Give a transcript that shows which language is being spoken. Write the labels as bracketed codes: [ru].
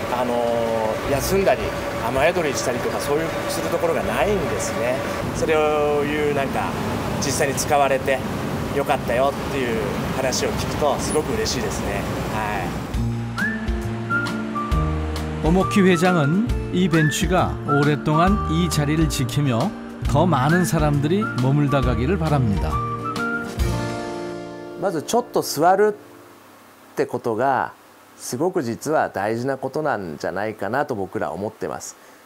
[ja] 実はこの大きな幹線道路があって、今日もすごく日差しが強くて暑いんですけれども、駅まで歩く途中とかそこに休んだり。雨宿りしたりとかそういうするところがないんですね。それをいうなんか実際に使われて良かったよっていうすごく嬉しいですね。はい。 [ko] 오모키 회장은 이 벤츠가 오랫동안 이 자리를 지키며 더 많은 사람들이 머물다 가기를 바랍니다. [ja] まずちょっと座るってことがすごく実は大事なことなんじゃないかなと僕ら思ってます。